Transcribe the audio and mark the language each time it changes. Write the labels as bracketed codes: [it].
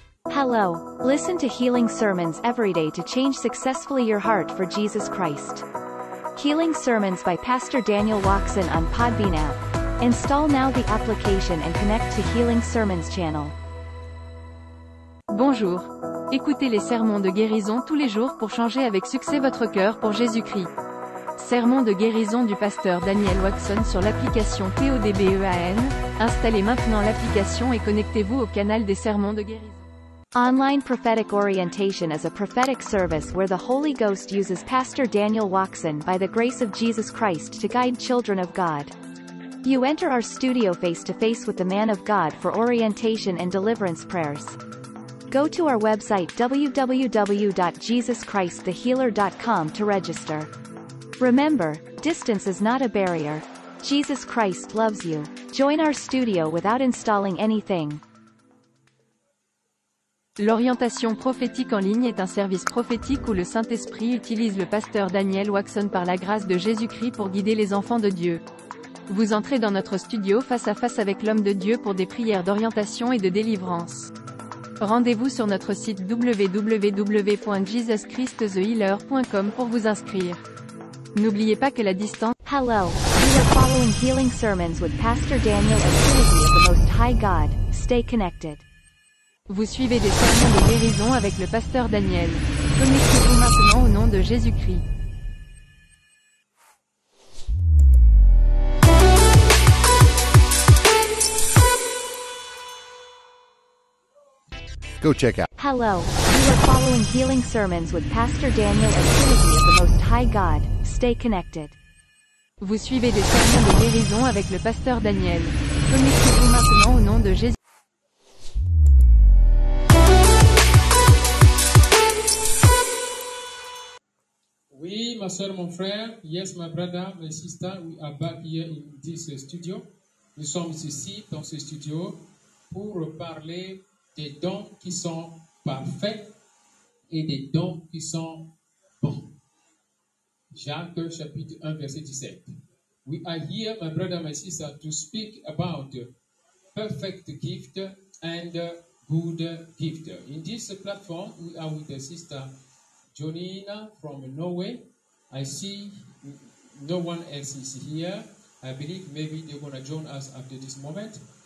[en] Hello. Listen to Healing Sermons every day to change successfully your heart for Jesus Christ. Healing Sermons by Pastor Daniel Watson on Podbean app. Install now the application and connect to Healing Sermons channel. [fr] Bonjour. Écoutez les sermons de guérison tous les jours pour changer avec succès votre cœur pour Jésus-Christ. Sermon de guérison du pasteur Daniel Watson sur l'application TODBEAN. Installez maintenant l'application et connectez-vous au canal des sermons de guérison. [en] Online prophetic orientation is a prophetic service where the Holy Ghost uses Pastor Daniel Watson by the grace of Jesus Christ to guide children of God. You enter our studio face to face with the man of God for orientation and deliverance prayers. Go to our website www.jesuschristthehealer.com to register. Remember, distance is not a barrier. Jesus Christ loves you. Join our studio without installing anything. [fr] L'orientation prophétique en ligne est un service prophétique où le Saint-Esprit utilise le pasteur Daniel Watson par la grâce de Jésus-Christ pour guider les enfants de Dieu. Vous entrez dans notre studio face à face avec l'homme de Dieu pour des prières d'orientation et de délivrance. Rendez-vous sur notre site www.jesuschristthehealer.com pour vous inscrire. N'oubliez pas que la distance... [en] Hello, we are following Healing Sermons with Pastor Daniel and the Trinity of the Most High God. Stay connected. [fr] Vous suivez des sermons de guérison avec le pasteur Daniel. Connectez-vous maintenant au nom de Jésus-Christ. [en] Go check out. Hello. You are following Healing Sermons with Pastor Daniel and the Trinity of the Most High God. Stay connected. [fr] Vous suivez des sermons de guérison avec le pasteur Daniel. Connectez-vous maintenant au nom de Jésus. Oui, ma soeur, mon frère. [en] Yes, my brother, my sister. We are back here in this studio. [fr] Nous sommes ici dans ce studio pour parler des dons qui sont parfaits et des dons qui sont bons. Jacques, chapitre 1, verset 17. [en] We are here, my brother, my sister, to speak about perfect gift and good gift. In this platform, we are with the sister Jonina from Norway. I see no one else is here. I believe maybe they're going to join us after this moment.